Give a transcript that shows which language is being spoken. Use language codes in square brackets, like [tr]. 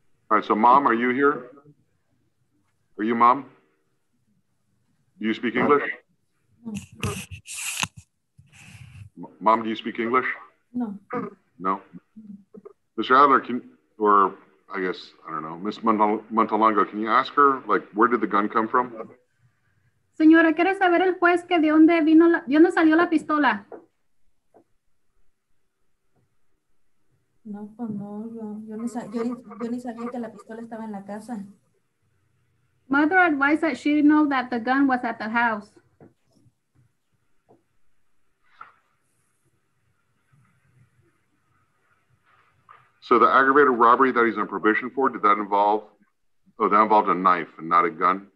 [en] All right, so Mom, are you here? Are you Mom? Do you speak English? Mom, do you speak English? No. Mr. Adler, Ms. Montalongo, can you ask her, like, where did the gun come from? [es] Señora, ¿quiere saber el juez que de dónde salió la pistola? No conozco. Yo no sé. Yo ni sabía que la pistola estaba en la casa. [en] Mother advised that she didn't know that the gun was at the house. So the aggravated robbery that he's on probation for, did that involve, that involved a knife and not a gun?